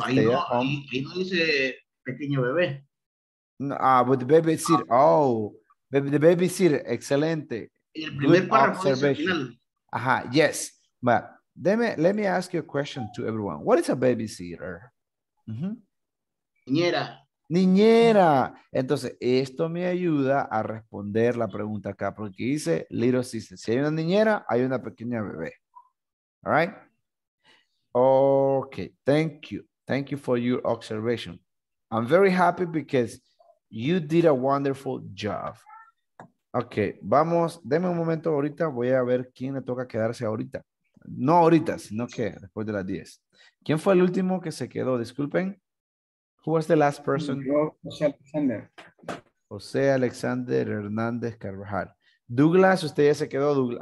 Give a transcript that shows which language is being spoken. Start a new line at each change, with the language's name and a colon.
Spanish: Ahí no dice pequeño bebé.
English: But the babysitter. The babysitter.
Spanish: Excelente. El primer párrafo es el final.
English: Ajá. Yes. But let me ask you a question to everyone. What is a babysitter?
Spanish: Niñera. Niñera. Entonces, esto me ayuda a responder la pregunta acá, porque dice
English: little sister.
Spanish: Si hay una niñera, hay una pequeña bebé.
English: All right? Okay, thank you. Thank you for your observation. I'm very happy because you did a wonderful job.
Spanish: Okay, vamos, deme un momento ahorita, voy a ver quién le toca quedarse ahorita. No ahorita, sino que después de las 10. ¿Quién fue el último que se quedó? Disculpen.
English: Who was the last person?
Spanish: José Alexander. José Alexander Hernández Carvajal. Douglas, usted ya se quedó. Douglas.